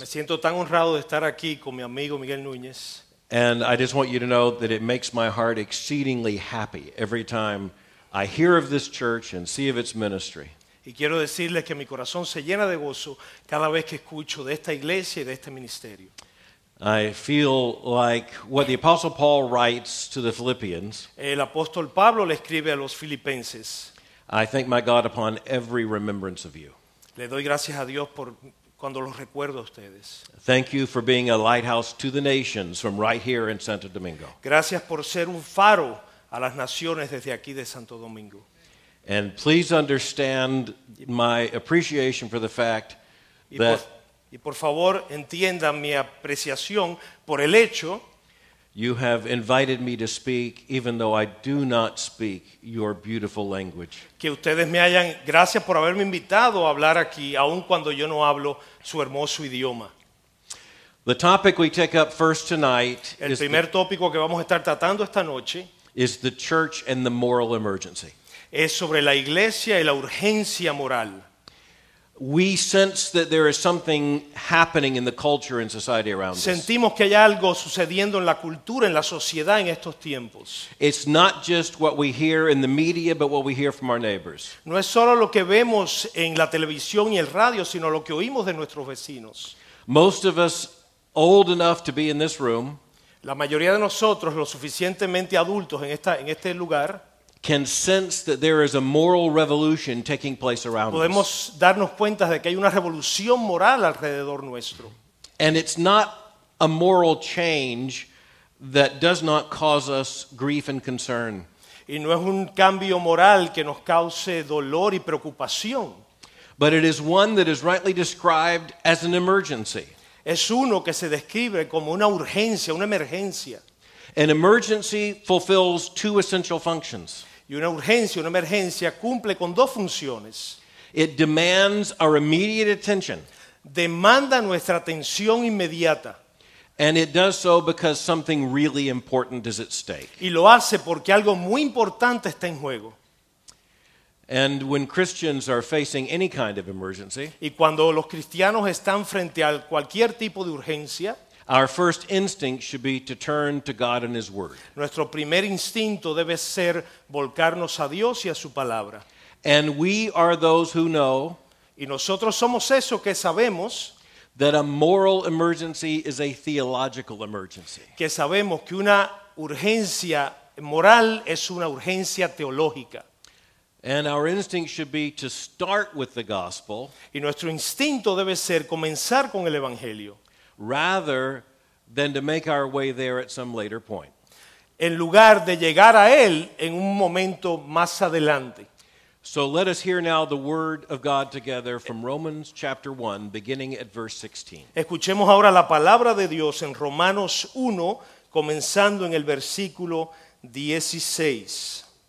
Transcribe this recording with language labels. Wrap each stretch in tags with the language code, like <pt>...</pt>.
<es>Me siento tan honrado de estar aquí con mi amigo Miguel Núñez.</es> <en>And I just want you to know that it makes my heart exceedingly happy every time I hear of this church and see of its ministry.</en> <es>Y quiero decirles que mi corazón se llena de gozo cada vez que escucho de esta iglesia y de este ministerio.</es> <en>I feel like what the Apostle Paul writes to the Philippians.</en> <es>El apóstol Pablo le escribe a los Filipenses.</es> <en>I thank my God upon every remembrance of you.</en> <es>Le doy gracias a Dios por cuando los recuerdo a ustedes.</es> <en>Thank you for being a lighthouse to the nations from right here in Santo Domingo.</en> <es>Gracias por ser un faro a las naciones desde aquí de Santo Domingo.</es> <en>And please understand my appreciation for the fact that</en> <es>y por favor entiendan mi apreciación por el hecho</es> <en>you have invited me to speak even though I do not speak your beautiful language.</en> <es>Que ustedes me hayan gracias por haberme invitado a hablar aquí aun cuando yo no hablo su hermoso idioma.</es> <en>The topic we take up first tonight</en> <es>el</es> <en>is</en> <es>primer</es> <en>the,</en> <es>tópico que vamos a estar tratando esta noche</es> <en>is the church and the moral emergency.</en> <es>Es sobre la iglesia y la urgencia moral.</es> <en>We sense that there is something happening in the culture and society around us.</en> <es>Sentimos que hay algo sucediendo en la cultura, en la sociedad en estos tiempos.</es> <en>It's not just what we hear in the media, but what we hear from our neighbors.</en> <es>No es solo lo que vemos en la televisión y el radio, sino lo que oímos de nuestros vecinos.</es> <en>Most of us old enough to be in this room.</en> <es>La mayoría de nosotros, lo suficientemente adultos en este lugar,</es> <en>can sense that there is a moral revolution taking place around</en> <es>podemos Podemos darnos cuenta de que hay una revolución moral alrededor nuestro.</es> <en>And it's not a moral change that does not cause us grief and concern.</en> <es>Y no es un cambio moral que nos cause dolor y preocupación.</es> <en>But it is one that is rightly described as an emergency.</en> <es>Es uno que se describe como una urgencia, una emergencia.</es> <en>An emergency fulfills two essential functions.</en> <es>Y una emergencia cumple con dos funciones.</es> <en>It demands our immediate attention.</en> <es>Demanda nuestra atención inmediata.</es> <en>And it does so because something really important is at stake.</en> <es>Y lo hace porque algo muy importante está en juego.</es> <en>And when Christians are facing any kind of emergency,</en> <es>y cuando los cristianos están frente a cualquier tipo de urgencia,</es> <en>our first instinct should be to turn to God and His Word.</en> <es>Nuestro primer instinto debe ser volcarnos a Dios y a su palabra.</es> <en>And we are those who know</en> <es>y nosotros somos eso que sabemos</es> <en>that a moral emergency is a theological emergency.</en> <es>Que sabemos que una urgencia moral es una urgencia teológica.</es> <en>And our instinct should be to start with the gospel.</en> <es>Y nuestro instinto debe ser comenzar con el evangelio.</es> <en>Rather than to make our way there at some later point.</en> <es>En lugar de llegar a él en un momento más adelante.</es> <en>So let us hear now the word of God together from Romans chapter 1, beginning at verse 16.</en> <es>Escuchemos ahora la palabra de Dios en Romanos 1, comenzando en el versículo 16.</es>